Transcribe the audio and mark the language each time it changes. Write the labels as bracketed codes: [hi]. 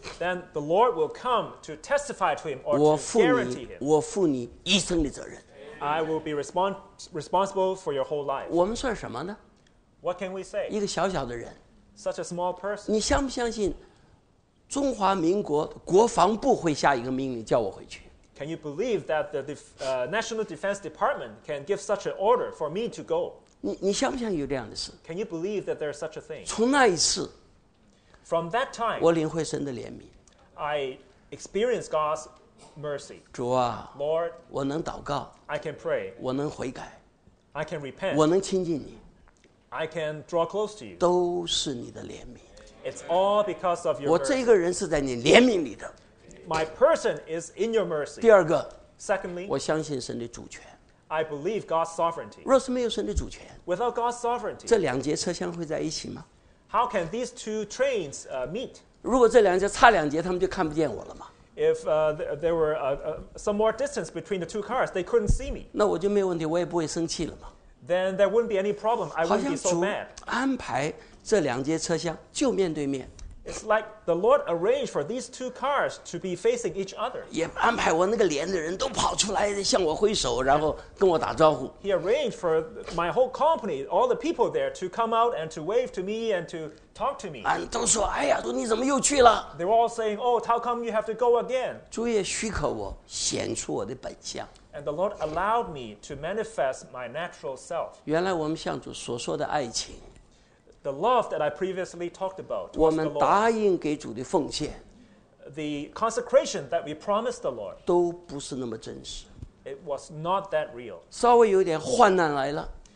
[en] Then the Lord will come to testify to him or to guarantee him. [zh] 我负你一生的责任。 [en] I will be responsible for your whole life. [zh] 我们算什么呢？ [en] What can we say? [zh] 一个小小的人 [en] ，such a small person. [zh] 你相不相信中华民国国防部会下一个命令叫我回去 [en] ？Can you believe that the National Defense Department can give such an order for me to go? [zh] 你相不相信有这样的事 [en] ？Can you believe that there is such a thing? [zh] 从那一次 [en] ，from that time， [zh] 我领会神的怜悯 [en] ，I experience God's mercy. [zh] 主啊 [en] ，Lord， [zh] 我能祷告 [en] ，I can pray， [zh] 我能悔改 [en] ，I can repent， [zh] 我能亲近你。 [en] I can draw close to you. [zh] 都是你的怜悯。 [en] It's all because of your mercy. [zh] 我这个人是在你怜悯里的。 [en] My person is in your mercy. [zh] 第二个。 [en] Secondly, [zh] 我相信神的主权。 [en] I believe God's sovereignty. [zh] 若是没有神的主权。 [en] Without God's sovereignty. [zh] 这两节车厢会在一起吗？ [en] How can these two trains meet? [zh] 如果这两节差两节，他们就看不见我了吗？ [en] If there were some more distance between the two cars, they couldn't see me. [zh] 那我就没有问题，我也不会生气了吗？ [en] Then there wouldn't be any problem. I wouldn't be so mad. [zh] 好像主安排这两节车厢就面对面。 [en] It's like the Lord arranged for these two cars to be facing each other. [zh] 也安排我那个连的人都跑出来向我挥手，然后跟我打招呼。 [en] He arranged for my whole company, all the people there, to come out and to wave to me and to talk to me. [zh] 都说哎呀，你怎么又去了 [en] ？They were all saying, "Oh, how come you have to go again?" [zh] 主也许可我显出我的本相。 [en] And the Lord allowed me to manifest my natural self. [zh] 原来我们向主所说的爱情 [en] ，the love that I previously talked about, [zh] 我们答应给主的奉献 [en] ，the consecration that we promised the Lord, [zh] 都不是那么真实。 [en] It was not that real. [zh] 稍微有点患难来了